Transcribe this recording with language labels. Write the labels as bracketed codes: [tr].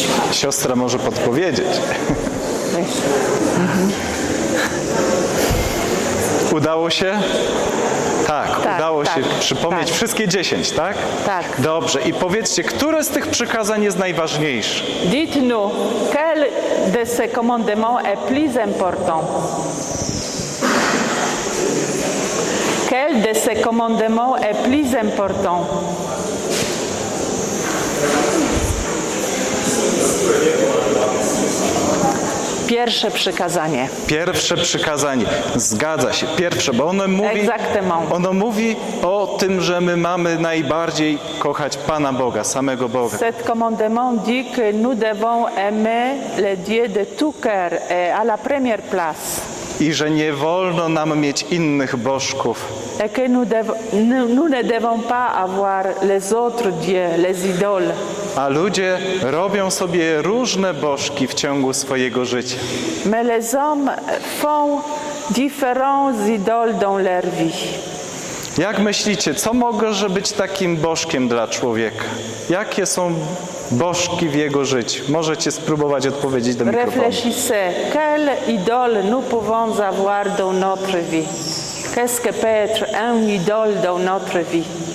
[pl] Siostra może podpowiedzieć. Udało się? Tak, udało się przypomnieć tak. Wszystkie 10, tak? Tak. Dobrze. I powiedzcie, które z tych przykazań jest najważniejsze? [fr] Dites-nous, quel de ces commandements est plus important? Quel de ces commandements est plus important? [pl] Pierwsze przykazanie. Pierwsze przykazanie. Zgadza się. Pierwsze, bo ono mówi. [fr] Exactement. [pl] Ono mówi o tym, że my mamy najbardziej kochać Pana Boga, samego Boga. [fr] Cet commandement dit que nous devons aimer le Dieu de tout cœur et à la première place. [pl] I że nie wolno nam mieć innych bożków. [fr] Et que nous ne devons pas avoir les autres dieux, les idoles. [pl] A ludzie robią sobie różne bożki w ciągu swojego życia. [fr] Mais les hommes font différents idoles dans leur vie. [pl] Jak myślicie, co może być takim bożkiem dla człowieka? Jakie są bożki w jego życiu? Możecie spróbować odpowiedzieć do mikrofonu. [fr] Réfléchissez, quelle idole nous pouvons avoir dans notre vie? Qu'est-ce que peut être une idole dans notre vie?